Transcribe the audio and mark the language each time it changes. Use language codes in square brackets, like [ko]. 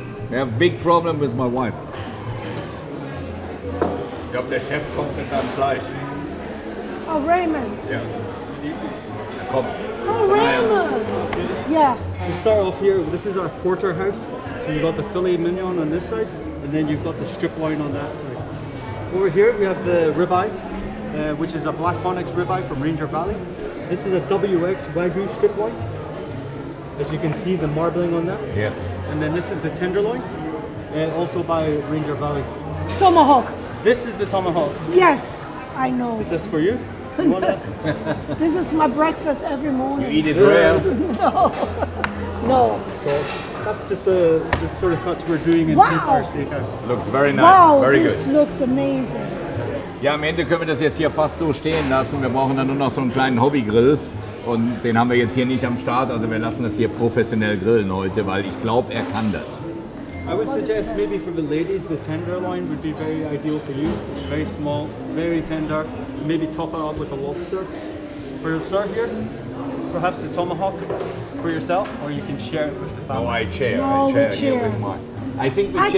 [en] We have a big problem with my wife. [de] Ich glaube, der Chef kommt mit seinem Fleisch. Oh, Raymond. Ja. Er kommt. Oh, Raymond. Ja. [en] We start off here. This is our porterhouse. So you've got the filet mignon on this side, and then you've got the strip loin on that side. Over here, we have the ribeye, which is a black onyx ribeye from Ranger Valley. This is a WX Wagyu strip loin. As you can see, the marbling on that. Yes. And then this is the tenderloin, also by Ranger Valley. Tomahawk. This is the tomahawk. Yes, I know. Is this for you? You want that? This is my breakfast every morning. You eat it rare. No. So that's just the sort of touch we're doing in Seafire Steakhouse. Looks very nice. Wow, very this good. Looks amazing. [de] Ja, am Ende können wir das jetzt hier fast so stehen lassen. Wir brauchen dann nur noch so einen kleinen Hobbygrill. Und den haben wir jetzt hier nicht am Start. Also wir lassen das hier professionell grillen heute, weil ich glaube, er kann das. [en] I would suggest maybe for the ladies, the tenderloin would be very ideal for you. It's very small, very tender. Maybe top it up with a lobster. For your sir here, perhaps the tomahawk for yourself, or you can share it with the family. No, I share. No, I share, share. With mine. I think we share,